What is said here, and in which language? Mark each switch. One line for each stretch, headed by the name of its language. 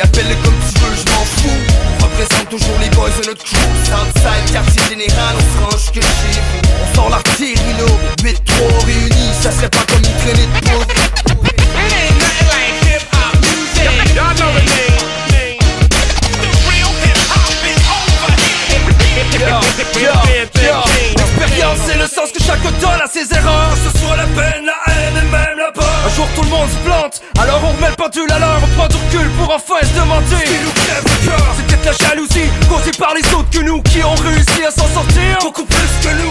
French: Appelle-le comme tu veux, je m'en fous. Présente toujours les boys de notre crew. Southside, quartier général, on se range que chez vous. On sort l'artillerie lourde, 8-3 réunis. Ça serait pas comme une traînée de poudre.
English: It ain't nothing like hip-hop music. Y'all know the name. The real hip-hop is over here. Yo, yo, yo.
French: L'expérience est le sens que chaque donne à ses erreurs. Ce soit la peine, la haine et même la peur. Un jour tout le monde se plante, alors on remet le pendule à l'heure. On prend du recul pour enfin se demander ce qui nous crève le cœur. La jalousie causée par les autres que nous, qui ont réussi à s'en sortir beaucoup plus que nous.